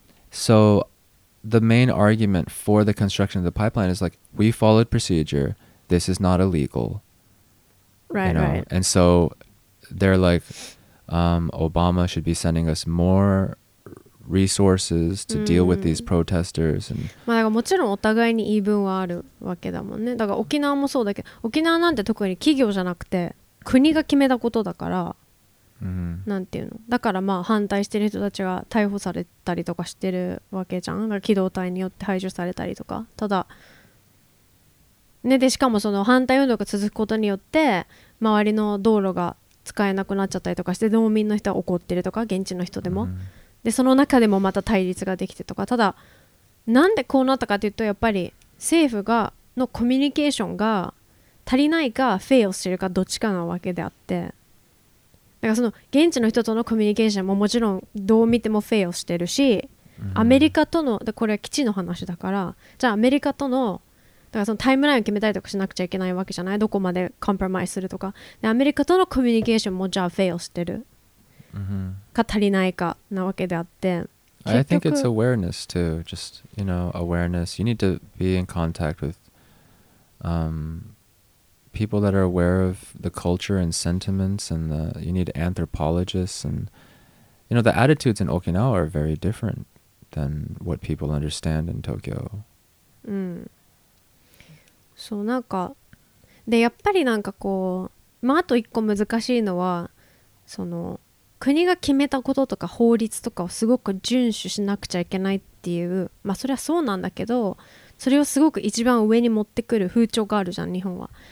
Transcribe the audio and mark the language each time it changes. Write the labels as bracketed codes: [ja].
[en] So the main argument for the construction of the pipeline is like, we followed procedure. This is not illegal. Right, you know? Right. And so they're like, Obama should be sending us more resources to deal with these protesters. And [ja] まあだからもちろんお互いに言い分はあるわけだもんね。だから沖縄もそうだけど、沖縄なんて特に企業じゃなくて国が決めたことだから、なんていうの。だからまあ反対してる人たちが逮捕されたりとかしてるわけじゃん。だから機動隊によって排除されたりとか。ただね、でしかもその反対運動が続くことによって周りの道路が使えなくなっちゃったりとかして、農民の人は怒ってるとか現地の人でも、でその中でもまた対立ができてとか。ただなんでこうなったかというと、やっぱり政府がのコミュニケーションが足りないかフェイルしてるかどっちかなわけであって、だからその現地の人とのコミュニケーションももちろんどう見てもフェイルしてるし、アメリカとの、これは基地の話だから、じゃあアメリカとの、だからそのタイムラインを決めたりとかしなくちゃいけないわけじゃない、どこまでコンプロマイスするとか。でアメリカとのコミュニケーションもじゃあフェイルしてるか足りないかなわけであって、結局 [en] I think it's awareness too. Just, you know, awareness. You need to be in contact with people that are aware of the culture and sentiments, and the, you need anthropologists, and you know, the attitudes in Okinawa are very different than what people understand in Tokyo. [ja] そう、なんかでやっぱりなんかこう、まああと一個難しいのは、その国が決めたこととか法律とかをすごく遵守しなくちゃいけないっていう、まあそれはそうなんだけど、それをすごく一番上に持ってくる風潮があるじゃん日本は。